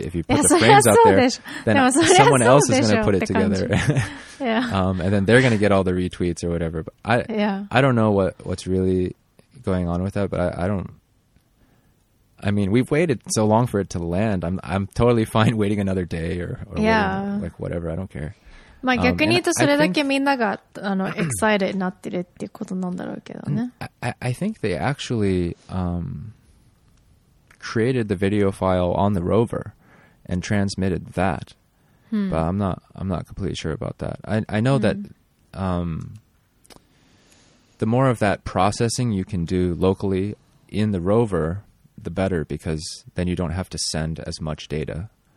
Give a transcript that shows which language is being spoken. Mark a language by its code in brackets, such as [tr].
[en] know, if you put the frames out there, then someone else is going to put it together. Yeah. And then they're going to get all the retweets or whatever. But I don't know what's really going on with that, but I mean, we've waited so long for it to land. I'm totally fine waiting another day or waiting, like whatever. I don't care. [ja] まあ逆に言うとそれだけみんながあの excited になってるってことなんだろうけどね。 [en] I think they actually created the video file on the rover and transmitted that. But I'm not completely sure about that. I know that the more of that processing you can do locally in the rover, the better, because then you don't have to send as much data.